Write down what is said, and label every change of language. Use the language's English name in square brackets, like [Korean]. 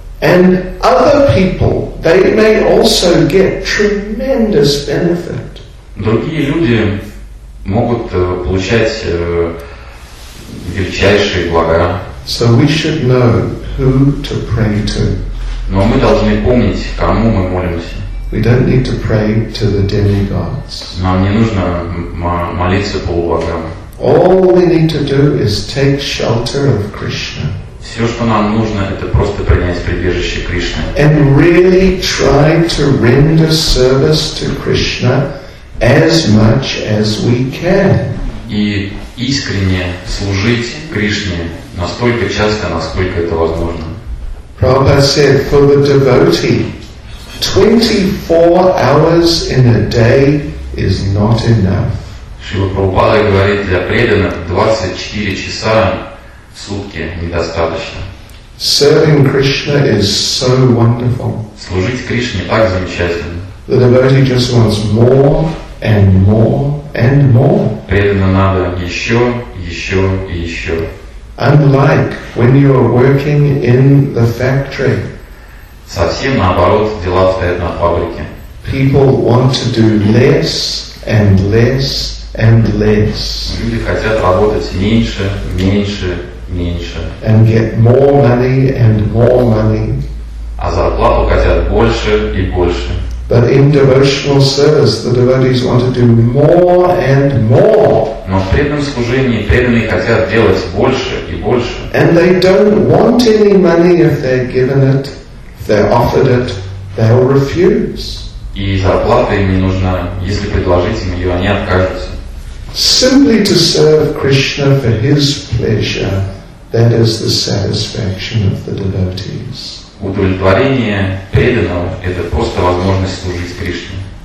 [English] And other people, they may also get tremendous benefit. [Russian] Другие люди могут получать величайшие блага. [English] So we should know who to pray to. [Russian] Но мы должны помнить, кому мы молимся. [English] We don't need to pray to the demigods. [Russian] Нам не нужно молиться полубогам. [English] All we need to do is take shelter of Krishna. [Russian] Все, что нам нужно, это просто принять прибежище Кришны. [English] And really try to render service to Krishna as much as we can. [Russian] И искренне служить Кришне настолько часто, насколько это возможно. [English] Prabhupada said, for the devotee, 24 hours in a day is not enough. [Russian] Шрила Прабхупада говорит, для преданных 24 часа в сутки недостаточно. [English] Serving Krishna is so wonderful. [Russian] Служить Кришне так замечательно. [English] The devotee just wants more and more and more. [Russian] Преданно надо еще, еще и еще. [English] Unlike when you are working in the factory. [Russian] Совсем наоборот, дела стоят на фабрике. [English] People want to do less and less and less. [Russian] Люди хотят работать меньше, меньше, меньше. [English] And get more money and more money. [Russian] А зарплату хотят больше и больше. [English] But in devotional service, the devotees want to do more and more. [Russian] Но в преданном служении преданные хотят делать больше и больше. [English] And they don't want any money if they're given it. If they're offered it, they'll refuse. [Russian] И зарплата им не нужна. Если предложить им ее, они откажутся. [English] Simply to serve Krishna for his pleasure, that is the satisfaction of the devotees. [Russian] Удовлетворение преданного – это просто возможность служить Кришне.